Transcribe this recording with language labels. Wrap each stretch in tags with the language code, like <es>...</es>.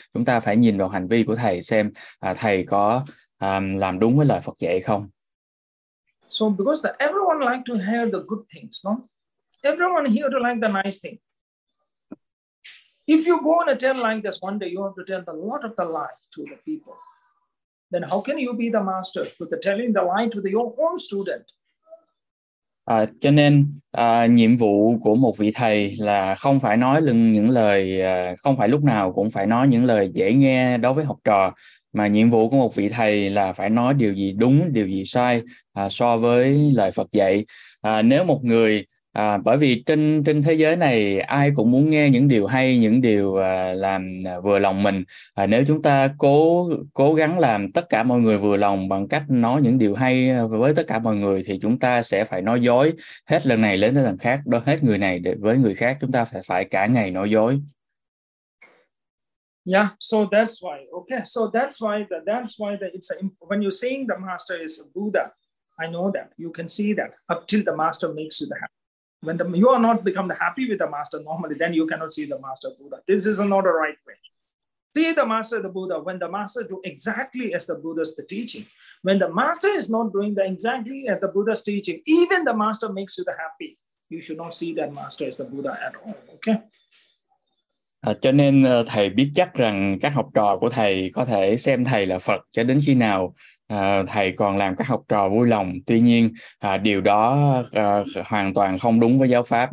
<vi>Chúng ta phải nhìn vào hành vi của thầy xem thầy có làm đúng với lời Phật dạy không?</vi> <en>So because that everyone like to hear the good things, no? Everyone here to like the nice thing. If you go and tell like this one day, you have to tell a lot of the lie to the people. Then how can you be the master with the telling the lie to the, your own student?</en> <vi>Cho nên nhiệm vụ của một vị thầy là không phải nói những lời, không phải lúc nào cũng phải nói những lời dễ nghe đối với học trò. Mà nhiệm vụ của một vị thầy là phải nói điều gì đúng, điều gì sai so với lời Phật dạy. Nếu một người, bởi vì trên thế giới này ai cũng muốn nghe những điều hay, những điều làm vừa lòng mình. Nếu chúng ta cố gắng làm tất cả mọi người vừa lòng bằng cách nói những điều hay với tất cả mọi người, thì chúng ta sẽ phải nói dối hết lần này đến lần khác, đối hết người này với người khác, chúng ta phải cả ngày nói dối.</vi> <en>Yeah, so that's why. Okay, so that's why it's a, when you're saying the master is a Buddha, I know that you can see that up till the master makes you the happy. When the, you are not become the happy with the master normally, then you cannot see the master Buddha. This is not a right way. See the master the Buddha when the master do exactly as the Buddha's the teaching. When the master is not doing the exactly as the Buddha's teaching, even the master makes you the happy. You should not see that master as the Buddha at all. Okay.</en> <vi>Cho nên thầy biết chắc rằng các học trò của thầy có thể xem thầy là Phật cho đến khi nào thầy còn làm các học trò vui lòng. Tuy nhiên, điều đó hoàn toàn không đúng với giáo pháp.</vi>